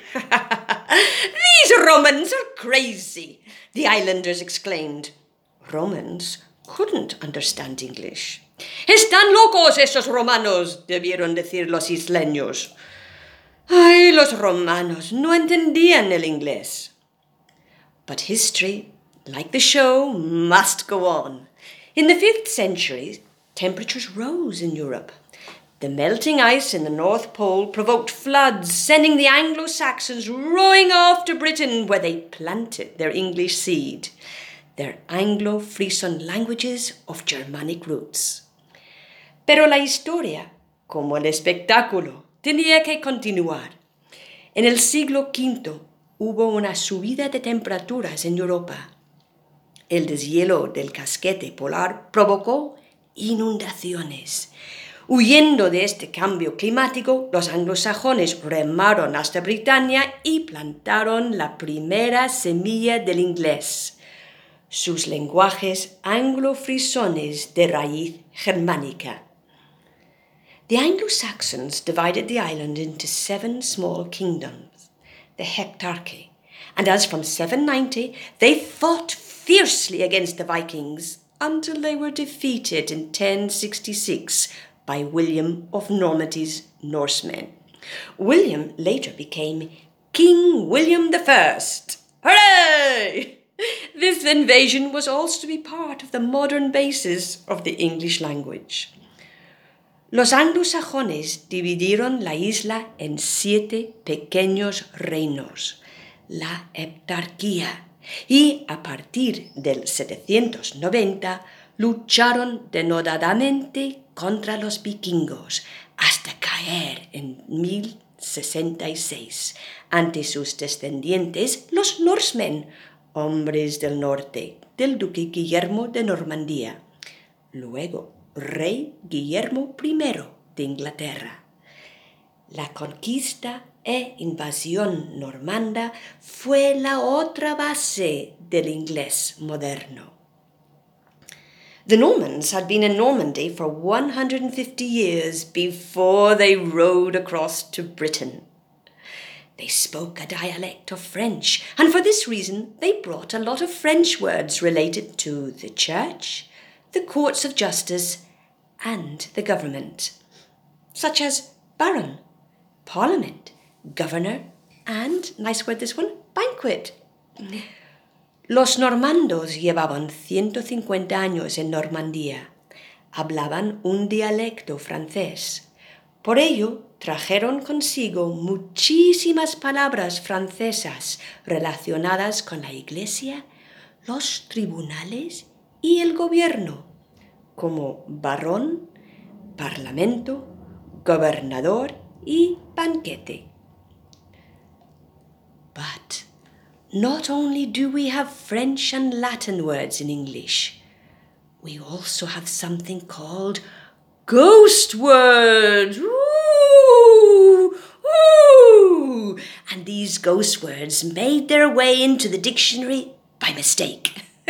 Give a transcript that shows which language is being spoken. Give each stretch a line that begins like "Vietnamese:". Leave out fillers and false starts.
English: These Romans are crazy, the islanders exclaimed. Romans couldn't understand English.
Spanish: Están locos esos romanos, debieron decir los isleños. Ay, los romanos no entendían el inglés.
English: But history, like the show, must go on. In the 5th century, temperatures rose in Europe. The melting ice in the North Pole provoked floods, sending the Anglo-Saxons roaring off to Britain, where they planted their English seed, their Anglo-Frisian languages of Germanic roots.
Spanish: Pero la historia, como el espectáculo, tenía que continuar. En el siglo V hubo una subida de temperaturas en Europa. El deshielo del casquete polar provocó inundaciones. Huyendo de este cambio climático, los anglosajones remaron hasta Britania y plantaron la primera semilla del inglés, sus lenguajes anglo-frisones de raíz germánica.
English: The Anglo-Saxons divided the island into 7 small kingdoms, the Heptarchy, and as from 790, they fought fiercely against the Vikings until they were defeated in 1066 by William of Normandy's Norsemen. William later became King William I. Hooray! This invasion was also to be part of the modern basis of the English language.
Spanish: Los anglosajones dividieron la isla en 7 pequeños reinos, la heptarquía, y a partir del 790 lucharon denodadamente contra los vikingos hasta caer en 1066 ante sus descendientes, los Norsemen, hombres del norte, del duque Guillermo de Normandía, luego rey Guillermo I de Inglaterra. La conquista e invasión normanda fue la otra base del inglés moderno.
English: The Normans had been in Normandy for 150 years before they rode across to Britain. They spoke a dialect of French, and for this reason they brought a lot of French words related to the church, the courts of justice, and the government, such as baron, parliament, governor, and, nice word this one, banquet.
Spanish: Los normandos llevaban 150 años en Normandía. Hablaban un dialecto francés. Por ello, trajeron consigo muchísimas palabras francesas relacionadas con la iglesia, los tribunales y el gobierno, como barón, parlamento, gobernador y banquete.
English: But not only do we have French and Latin words in English, we also have something called ghost words. Ooh, ooh. And these ghost words made their way into the dictionary by mistake.